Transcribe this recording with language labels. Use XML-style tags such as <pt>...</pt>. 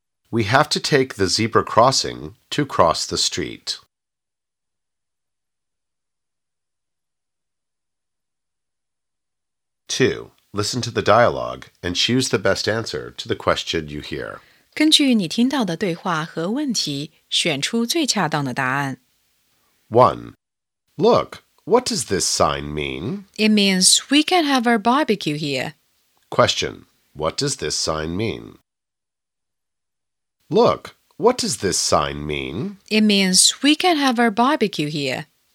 <en>We have to take the zebra crossing to cross the street. 2. Listen to the dialogue and choose the best answer to the question you hear.</en> <zh>根据你听到的对话和问题选出最恰当的答案。 1.</zh> <en>Look, what does this sign mean? It means we can have our barbecue here. Question, what does this sign mean? Look, what does this sign mean? It means we can have our barbecue here.</en>